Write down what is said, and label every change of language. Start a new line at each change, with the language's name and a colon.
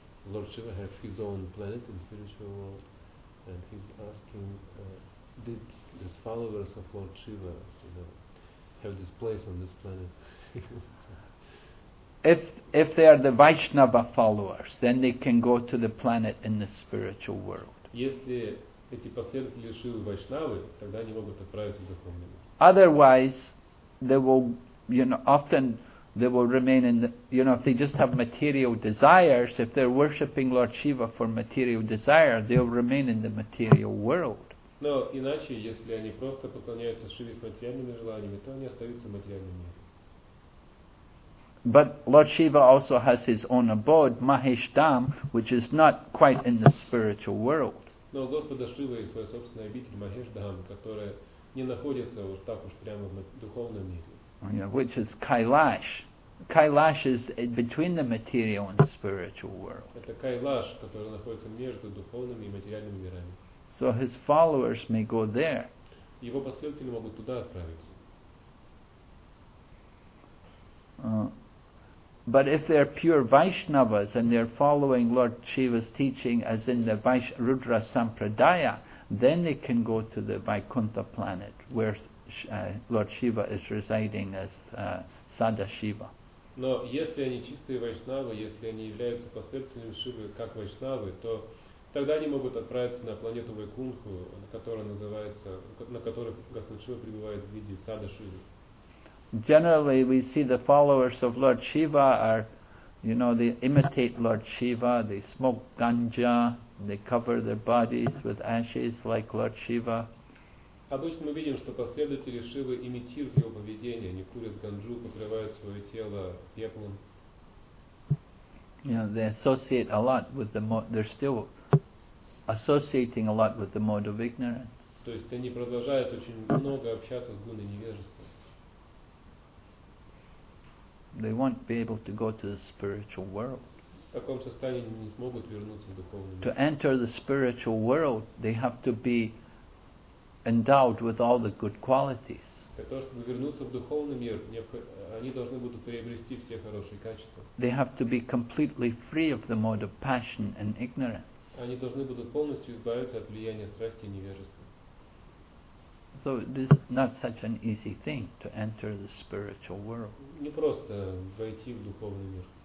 English: Lord Shiva has his own planet in the spiritual world, and he's asking, did his followers of Lord Shiva, you know, have this place on this planet? If they are the Vaishnava followers, then they can go to the planet in the spiritual world.
Russian: Если эти последователи Шивы Вайшнавы, тогда они могут отправиться в духовный мир.
English: Otherwise, they will, you know, often they will remain in the, you know, if they just have material desires, if they're worshipping Lord Shiva for material desire, they'll remain in the material world.
Russian: Но иначе, если они просто поклоняются Шиве с материальными желаниями, то они остаются в материальном мире.
English: But Lord Shiva also has his own abode, Mahesh Dham, which is not quite in the spiritual world.
Russian: Но Господа Шива и свой собственный обитель Махеш Дхам, которая не находится вот так уж прямо в духовном мире.
English: Yeah, which is Kailash. Kailash is between the material and the spiritual world.
Russian: Это Кайлаш, который находится между духовными и материальными мирами.
English: So his followers may go there.
Russian: Его последователи могут туда отправиться.
English: But if they are pure Vaishnavas and they are following Lord Shiva's teaching as in the Rudra Sampradaya, then they can go to the Vaikuntha planet where Lord Shiva is residing as Sada Shiva.
Russian: Но если они чистые Вайшнавы, если они являются последователями Шивы как Вайшнавы, то тогда они могут отправиться на планету Вайкунху, на которой Господь Шива пребывает в виде Сада Шивы.
English: Generally, we see the followers of Lord Shiva are, you know, they imitate Lord Shiva, they smoke ganja, they cover their bodies with ashes like Lord Shiva.
Russian: Обычно мы видим, что последователи Шивы имитируют его поведение, они курят ганджу, покрывают свое тело пеплом.
English: You know, they associate a lot with the they're still associating a lot with the mode of ignorance.
Russian: То есть они продолжают очень много общаться с гуной невежества.
English: They won't be able to go to the spiritual world.
Russian: В таком состоянии не смогут вернуться в духовный мир.
English: To enter the spiritual world, they have to be endowed with all the good qualities.
Russian: Для того, чтобы вернуться в духовный мир, они должны будут приобрести все хорошие качества.
English: They have to be completely free of the mode of passion and ignorance.
Russian: Они должны будут полностью избавиться от влияния страсти и невежества.
English: So this is not such an easy thing to enter the spiritual world.
Russian: Не просто войти в духовный мир.